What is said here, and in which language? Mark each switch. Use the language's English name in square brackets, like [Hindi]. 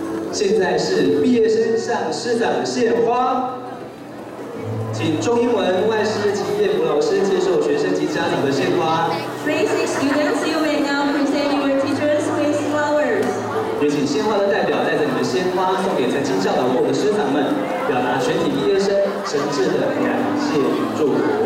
[Chinese] 现在是毕业生向师长献花，请中英文外师及业务老师接受学生及家长的献花。 [English] Please, students, you may now present your teachers with flowers. [Chinese] 也请献花的代表带着你们鲜花送给曾经教导过的师长们，表达全体毕业生诚挚的感谢与祝福。